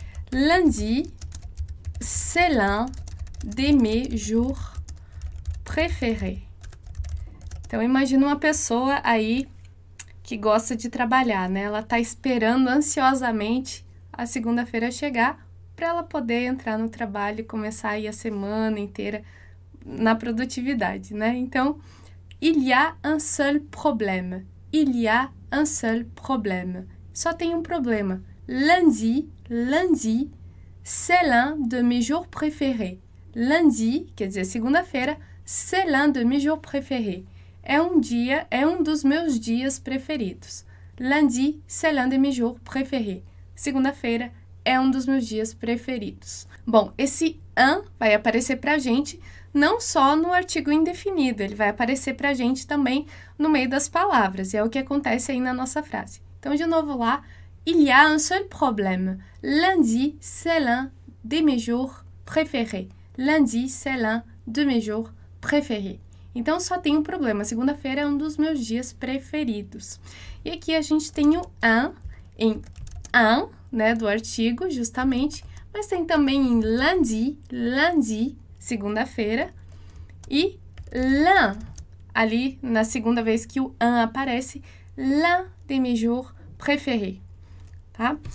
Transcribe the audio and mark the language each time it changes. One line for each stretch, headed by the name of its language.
French: Lundi, c'est l'un de mes jours préférés.
Portuguese: Então, imagina uma pessoa aí que gosta de trabalhar, né? Ela está esperando ansiosamente a segunda-feira chegar para ela poder entrar no trabalho e começar aí a semana inteira na produtividade, né?
French: Então, il y a un seul problème. Il y a un seul problème.
Portuguese: Só tem um problema.
French: Lundi, lundi, c'est l'un de mes jours préférés. Lundi,
Portuguese: quer dizer segunda-feira,
French: c'est l'un de mes jours préférés.
Portuguese: É um dia, é um dos meus dias preferidos.
French: Lundi, c'est l'un de mes jours préférés.
Portuguese: Segunda-feira é um dos meus dias preferidos. Bom, esse un vai aparecer pra gente não só no artigo indefinido, ele vai aparecer pra gente também no meio das palavras. E é o que acontece aí na nossa frase. Então, de novo lá,
French: il y a un seul problème. Lundi, c'est l'un de mes jours préférés. Lundi, c'est l'un de mes jours préférés.
Portuguese: Então, só tem um problema. Segunda-feira é um dos meus dias preferidos. E aqui a gente tem o un em un, né, do artigo, justamente. Mas tem também em lundi, lundi, segunda-feira. E l'un, ali na segunda vez que o un aparece,
French: l'un de mes jours préférés.
Portuguese: Tá?